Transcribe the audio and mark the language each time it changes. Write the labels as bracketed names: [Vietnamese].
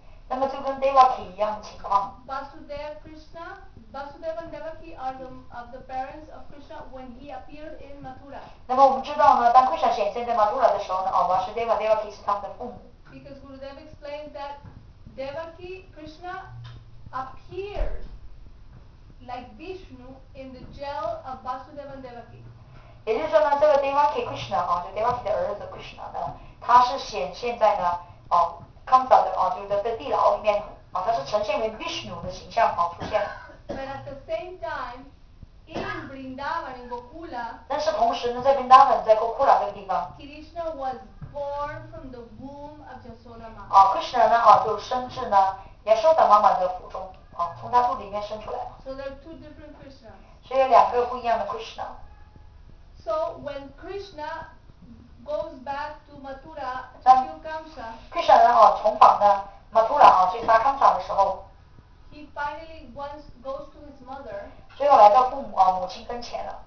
[Chinese] 那么就跟 Devaki 一样的情况。 [English] Vasudeva Krishna, Vasudeva and Devaki are the parents of Krishna when he appeared in Mathura. [Chinese] 那么我们知道呢，当 Krishna 显现在 Mathura 的时候呢，Vasudeva Devaki 是他们的父母。 [English] Because Gurudev explained that Devaki Krishna. Appeared like Vishnu in the jail of Vasudeva and Devaki. [Chinese] 也就是说呢，这个 Devaki Krishna 啊，就 Devaki 的儿子 Krishna 呢，他是显现在呢， [English] comes out [Chinese] 的啊，就是在地牢里面啊，他是呈现为 Vishnu 的形象啊出现。 [English] But at the same time, in Vrindavan in Gokula. [Chinese] 但是同时呢，在 Vrindavan 在 Gokula 这个地方 [English] ，Krishna was born from the womb of Yashoda Mama. [Chinese] 啊 ，Krishna 呢啊，就生至呢。也受到妈妈的腹中，从她肚里面生出来。 [English] So there are two different Krishna. [Chinese] 所以有两个不一样的 Krishna。 [English] So when Krishna goes back to Mathura to kill Kamsa, [Chinese] Krishna 呢重返呢 Mathura 去杀 Kamsa 的时候 [English] ，He finally once goes to his mother. [Chinese] 最后来到父母母亲跟前了。